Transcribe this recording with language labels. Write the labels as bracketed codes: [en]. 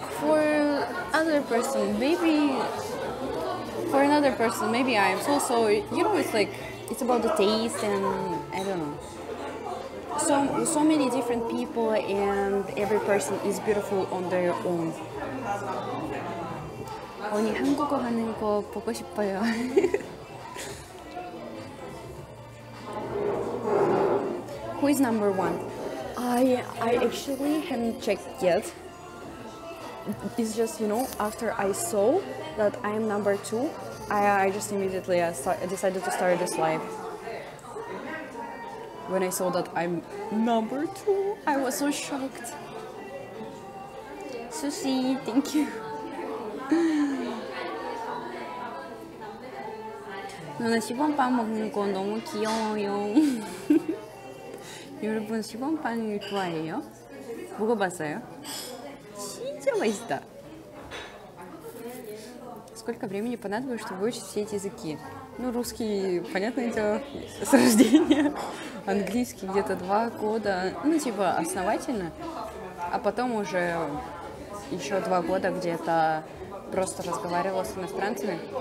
[en] For other person, maybe... For another person, maybe I'm so-so. You know, it's about the taste and I don't know. So many different people and every person is beautiful on their own. [ko] 언니, 한국어 하는 거 보고 싶어요. [en] Who is number one? I actually haven't checked yet. It's just, you know, after I saw that I am number two, I just immediately decided to start this live. When I saw that I'm number two, I was so shocked. Susie, thank you. [ko] Nona, 시범 빵 먹는 거 너무 귀여워요. 여러분 시범 빵을 좋아해요? 먹어봤어요? 진짜 [ru] занимаетесь-то? Сколько времени понадобилось, чтобы выучить все эти языки? Ну, русский, понятное дело, с рождения. Английский где-то 2 года. Ну, типа, основательно. А потом уже еще 2 года где-то просто разговаривала с иностранцами.